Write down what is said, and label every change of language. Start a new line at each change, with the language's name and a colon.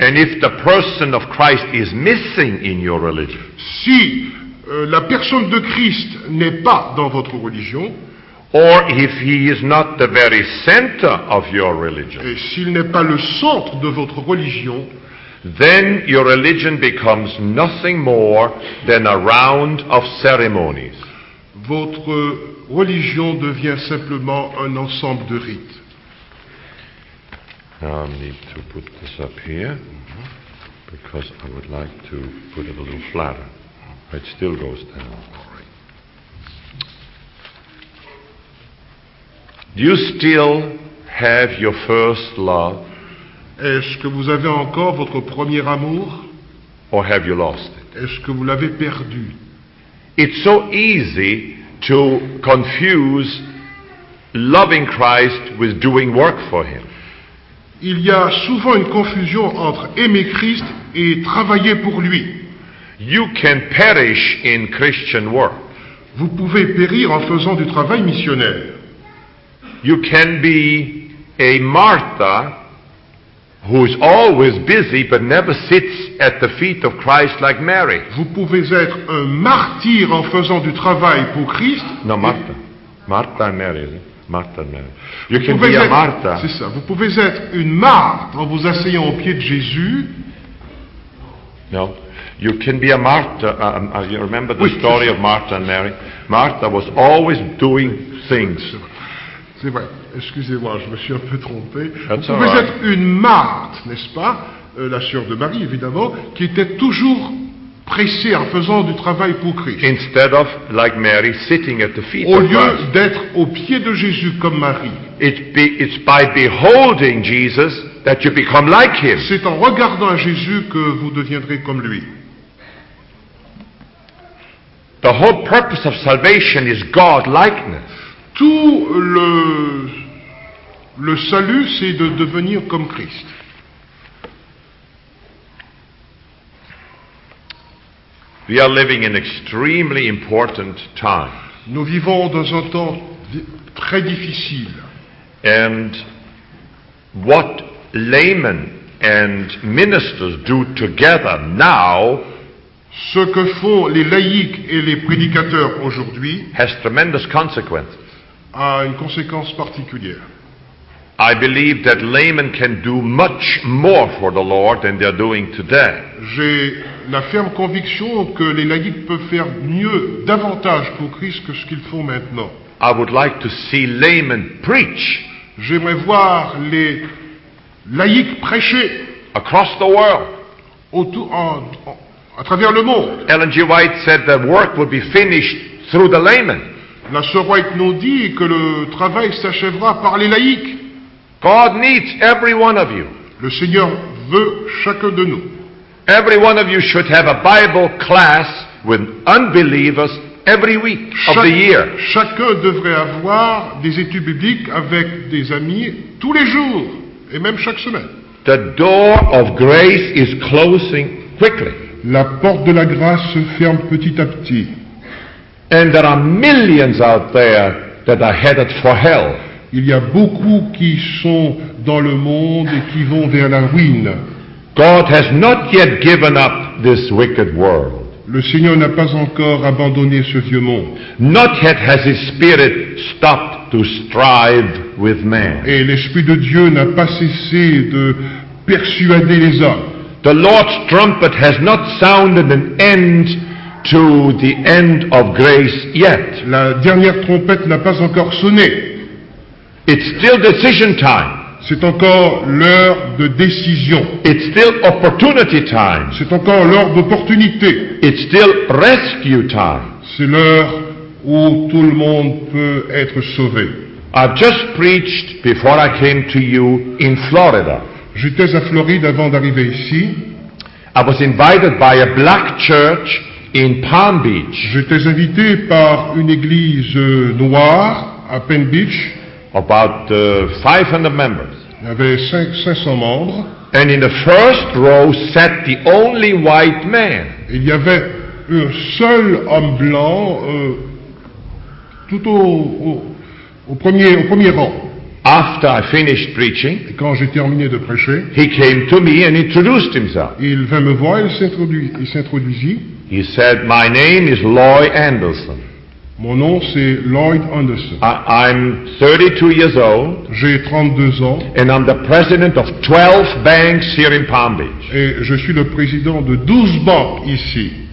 English: And if the person of Christ is missing in your religion,
French: si la personne de Christ n'est pas dans votre religion,
English: or if he is not the very center of your religion,
French: et s'il n'est pas le centre de votre religion,
English: then your religion becomes nothing more than a round of ceremonies.
French: Votre religion devient simplement un ensemble de rites.
English: Now I need to put this up here because I would like to put it a little flatter. It still goes down. Do you still have your first love?
French: Est-ce que vous avez encore votre premier amour?
English: Or have you lost it?
French: Est-ce que vous l'avez perdu?
English: It's so easy to confuse loving Christ with doing work for him.
French: Il y a souvent une confusion entre aimer Christ et travailler pour lui.
English: You can perish in Christian work.
French: Vous pouvez périr en faisant du travail missionnaire.
English: You can be a Martha who is always busy but never sits at the feet of Christ like Mary.
French: Vous pouvez être un martyr en faisant du travail pour Christ. Non,
English: Martha. Martha and Mary. Martha and Mary. You can be a Martha.
French: C'est ça. Vous pouvez être une Marthe en vous asseyant au pied de Jésus.
English: No. You can be a Martha. You remember the story of Martha and Mary? Martha was always doing things.
French: C'est vrai. Excusez-moi, je me suis un peu trompé.
English: That's
French: vous pouvez être une Marthe, n'est-ce pas? La sœur de Marie, évidemment, qui était toujours pressée en faisant du travail pour Christ.
English: Instead of, like Mary, sitting at the feet
French: au lieu d'être au pied de Jésus comme Marie.
English: It's by beholding Jesus that you become like him.
French: C'est en regardant à Jésus que vous deviendrez comme lui.
English: The whole purpose of salvation is God-likeness.
French: Tout le salut, c'est de devenir comme Christ.
English: We are living in extremely important time.
French: Nous vivons dans un temps très difficile.
English: And what laymen and ministers do together now,
French: ce que font les laïcs et les prédicateurs aujourd'hui,
English: has tremendous consequences.
French: A une conséquence particulière.
English: I believe that laymen can do much more for the Lord than they are doing today.
French: J'ai la ferme conviction que les laïcs peuvent faire mieux, davantage pour Christ que ce qu'ils font maintenant.
English: I would like to see laymen preach.
French: J'aimerais voir les laïcs prêcher.
English: Across the world.
French: À travers le monde.
English: Ellen G. White said the work would be finished through the laymen.
French: La sœur White nous dit que le travail s'achèvera par les laïcs.
English: God needs every one of you.
French: Le Seigneur veut chacun de nous.
English: Every one of you should have a Bible class with unbelievers every week of the year.
French: Chacun devrait avoir des études bibliques avec des amis tous les jours et même chaque semaine.
English: The door of grace is closing quickly.
French: La porte de la grâce se ferme petit à petit.
English: And there are millions out there that are headed for hell.
French: Il y a beaucoup qui sont dans le monde et qui vont vers la ruine.
English: God has not yet given up this wicked world.
French: Le Seigneur n'a pas encore abandonné ce vieux monde.
English: Not yet has his spirit stopped to strive with man.
French: Et l'Esprit de Dieu n'a pas cessé de persuader les hommes.
English: The Lord's trumpet has not sounded an end to the end of grace yet.
French: La dernière trompette n'a pas encore sonné.
English: It's still decision time.
French: C'est encore l'heure de décision.
English: It's still opportunity time.
French: C'est encore l'heure d'opportunité.
English: It's still rescue time.
French: C'est l'heure où tout le monde peut être sauvé.
English: I've just preached before I came to you in Florida.
French: J'étais à Floride avant d'arriver ici.
English: I was invited by a black church in Palm Beach.
French: J'étais invité par une église noire à Palm Beach.
English: About 500 members.
French: Il y avait 500 membres.
English: And in the first row sat the only white man.
French: Il y avait un seul homme blanc tout au premier rang.
English: After I finished preaching,
French: et quand j'ai terminé de prêcher,
English: he came to me and introduced himself.
French: Il vint me voir, il s'introduisit.
English: He said, "My name is Loy Anderson."
French: Mon nom c'est Lloyd Anderson.
English: I'm 32 years old.
French: J'ai 32 ans.
English: And I'm the president of 12 banks here in Palm Beach.
French: Et je suis le président de 12 banques ici.